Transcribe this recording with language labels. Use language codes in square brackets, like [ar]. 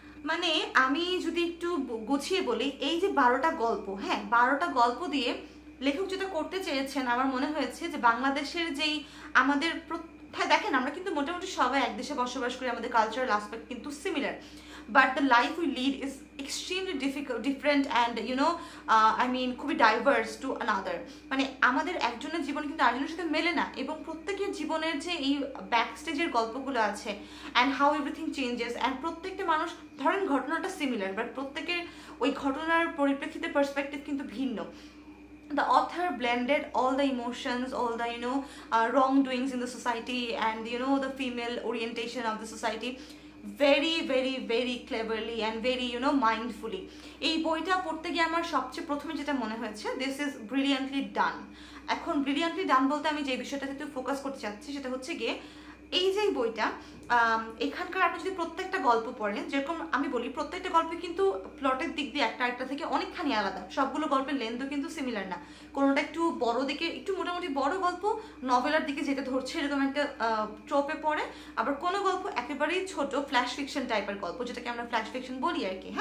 [bn] মানে আমি যদি একটু গুছিয়ে বলি, এই যে 12টা গল্প, হ্যাঁ 12টা গল্প দিয়ে লেখক যেটা করতে চেয়েছেন আমার মনে হয়েছে যে বাংলাদেশের যেই আমাদের হ্যাঁ দেখেন আমরা কিন্তু মোটামুটি সবাই এক দেশে বসবাস করি, আমাদের কালচারাল আসপেক্ট কিন্তু similar, [en] but the life we lead is extremely different and you know I mean [bn] খুবই ডাইভার্স টু আনাদার। মানে আমাদের একজনের জীবন কিন্তু আরেকজনের সাথে মেলে না, এবং প্রত্যেকের জীবনের যে এই ব্যাক স্টেজের গল্পগুলো আছে [en] and how everything changes, [bn] and প্রত্যেকটা মানুষ ধরেন ঘটনাটা সিমিলার বাট প্রত্যেকের ওই ঘটনার পরিপ্রেক্ষিতে পার্সপেক্টিভ কিন্তু ভিন্ন। [en] The author blended all the emotions, all the, you know, wrongdoings in the society and, you know, the female orientation of the society very, very, very cleverly and very, you know, mindfully. [bn] এই বইটা পড়তে গিয়ে আমার সবচেয়ে প্রথমে যেটা মনে হয়েছে, [en] this is brilliantly done. [bn] এখন brilliantly done বলতে আমি যে বিষয়টাতে একটু ফোকাস করতে চাচ্ছি সেটা হচ্ছে গিয়ে, এই যে বইটা এখানকার আপনি যদি প্রত্যেকটা গল্প পড়েন, যেরকম আমি বলি প্রত্যেকটা গল্পে কিন্তু প্লটের দিক দিয়ে একটা একটা থেকে অনেকখানি আলাদা, সবগুলো গল্পের লেন্থ কিন্তু সিমিলার না, কোনোটা একটু বড় দিকে একটু মোটামুটি বড় গল্প নভেলার দিকে যেতে ধরছে এরকম একটা ট্রোপে পড়ে, আবার কোনো গল্প একেবারেই ছোট ফ্ল্যাশ ফিকশন টাইপের গল্প যেটাকে আমরা ফ্ল্যাশ ফিকশন বলি আর কি।